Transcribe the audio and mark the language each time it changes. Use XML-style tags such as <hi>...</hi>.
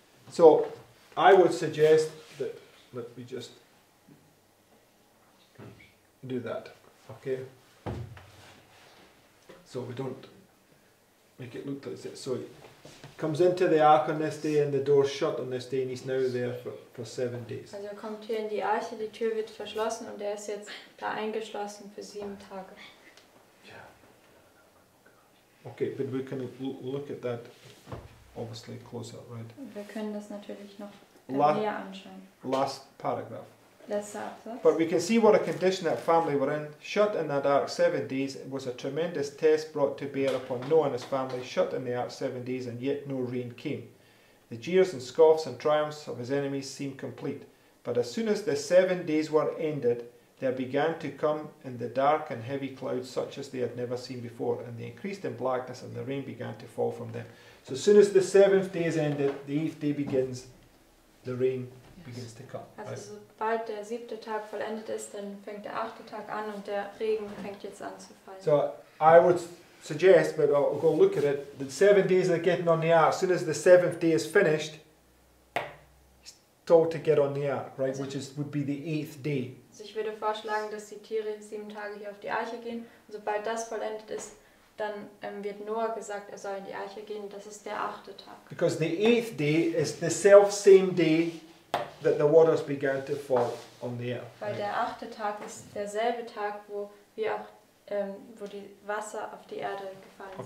<en>So I would suggest that, let me just do that, okay? So we don't make it look like it. So he comes into the ark on this day and the door's shut on this day and he's now there for 7 days.</en> <de>Also er kommt hier in die Arche, die Tür wird verschlossen und er ist jetzt da eingeschlossen für 7 Tage.</de> <en>Yeah. Okay, but we can look at that obviously closer, right?</en> <de>Wir können das natürlich noch näher anschauen.</de> <en>Last paragraph.</en> <de>Letzter.</de> <en>But we can see what a condition that family were in. Shut in that ark 7 days, it was a tremendous test brought to bear upon Noah and his family. Shut in the ark 7 days, and yet no rain came. The jeers and scoffs and triumphs of his enemies seemed complete. But as soon as the 7 days were ended, there began to come in the dark and heavy clouds such as they had never seen before, and they increased in blackness, and the rain began to fall from them. So as soon as the 7th day is ended, the 8th day begins, the rain begins to come.</en> <de>Also sobald der 7. Tag vollendet ist, dann fängt der 8. Tag an und der Regen fängt jetzt an zu fallen.</de> <en>So I would suggest, but I'll go look at it, that 7 days are getting on the ark. As soon as the 7th day is finished, he's told to get on the ark, right? Also, which would be the 8th day.</en> <de>Also ich würde vorschlagen, dass die Tiere 7 Tage hier auf die Arche gehen. Und sobald das vollendet ist, dann wird Noah gesagt, er soll in die Arche gehen. Das ist der 8. Tag.</de> <en>Because the 8th day is the self same day that the waters began to fall on the earth.</en> <de>Weil der 8. Tag ist derselbe Tag, wo die Wasser auf die Erde gefallen sind.</de>